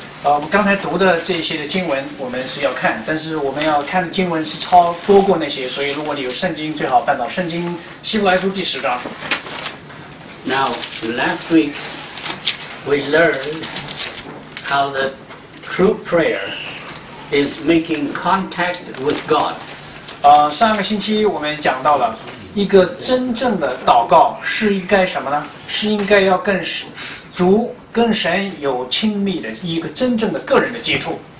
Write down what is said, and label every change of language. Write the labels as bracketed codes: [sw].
[zh] 我们刚才读的这些的经文，我们是要看，但是我们要看的经文是超多过那些，所以如果你有圣经，最好翻到圣经希伯来书第十章。 [en] Now, last week, we learned how the true prayer is making contact with God. [zh] 上个星期我们讲到了一个真正的祷告是应该什么呢？是应该要跟主、跟神有亲密的一个真正的个人的接触。